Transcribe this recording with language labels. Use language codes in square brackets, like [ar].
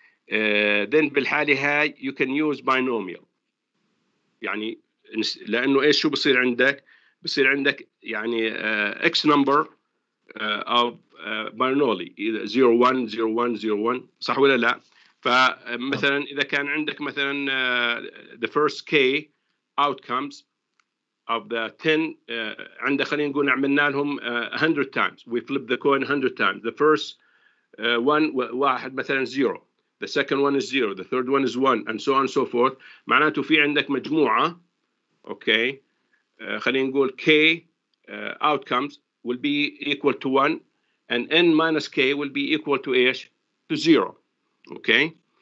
[en] Then [ar] بالحالة هاي [en] you can use binomial. [ar] يعني لأنه إيش شو بصير عندك؟ بصير عندك يعني [en] x number of Bernoulli, either 0, 1, 0, 1, 0, 1. [ar] صح ولا لا؟ فمثلاً إذا كان عندك مثلاً [en] the first k outcomes of the 10, [ar] عندك خلينا نقول عملنا لهم [en] 100 times. We flip the coin 100 times. The first one, مثلاً 0. The second one is 0. The third one is 1. And so on and so forth. [ar] معناته في عندك مجموعة, [en] okay, [ar] خلينا نقول [en] k outcomes will be equal to 1. And n minus k will be equal to h to 0, okay?